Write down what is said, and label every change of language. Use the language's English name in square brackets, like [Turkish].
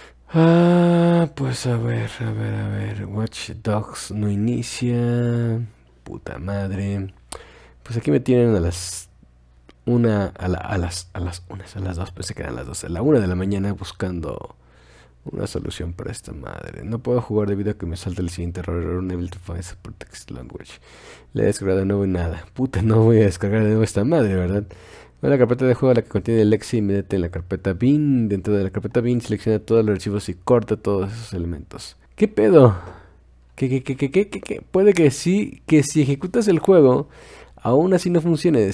[Spanish] Ah, pues a ver, a ver, a ver. Watch Dogs no inicia. Puta madre. Pues aquí me tienen a las una, a las unas, a las dos. Pensé que eran las 12. A la 1 de la mañana buscando una solución para esta madre. No puedo jugar debido a que me salta el siguiente error. [English] Unable to find support text language. [Spanish] Le he descargado de nuevo y nada. Puta, no voy a descargar de nuevo esta madre, ¿verdad? Voy a la carpeta de juego, la que contiene el exe, y métete en la carpeta bin. Dentro de la carpeta bin, selecciona todos los archivos y corta todos esos elementos. ¿Qué pedo? ¿Qué? Puede que sí, que si ejecutas el juego, aún así no funcione.